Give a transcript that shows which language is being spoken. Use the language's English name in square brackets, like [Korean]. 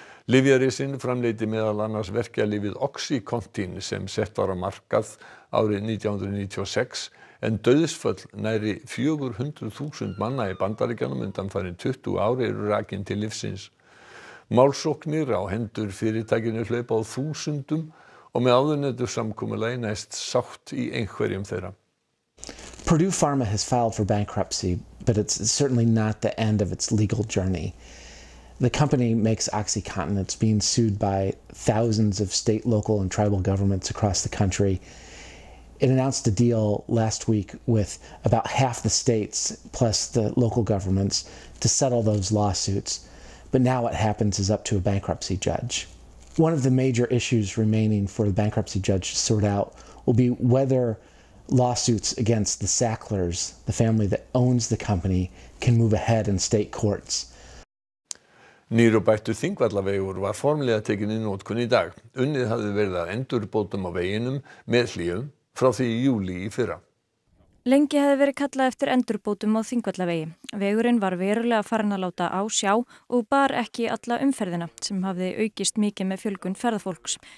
[Icelandic] Lyfjarisinn framleiti meðal annars verkjalyfið Oxycontin sem sett var á markað árið 1996 en dauðsföll nærri 400.000 manna í Bandaríkjunum undanfarin 20 ári eru rakin til lyfsins. Málsóknir á hendur fyrirtækinu hlaupa á þúsundum og með áðurnefndu samkomulagi næst sátt í einhverjum þeirra. [English] Purdue Pharma has filed for bankruptcy, but it's certainly not the end of its legal journey. The company makes OxyContin. It's being sued by thousands of state, local, and tribal governments across the country. It announced a deal last week with about half the states plus the local governments to settle those lawsuits. But now what happens is up to a bankruptcy judge. One of the major issues remaining for the bankruptcy judge to sort out will be whether lawsuits against the Sacklers, the family that owns the company, can move ahead in state courts. [Icelandic] Nýr og bættur Þingvallavegur var formlega tekin í notkun í dag. Unnið hafði verið að endurbótum á veginum með hlýjum frá því í júlí í fyrra. Lengi hafði verið kallað eftir endurbótum á Þingvallavegi. Vegurinn var verulega farin að láta á sjá og bar ekki alla umferðina sem hafði aukist mikið með fjölgun ferðafólks.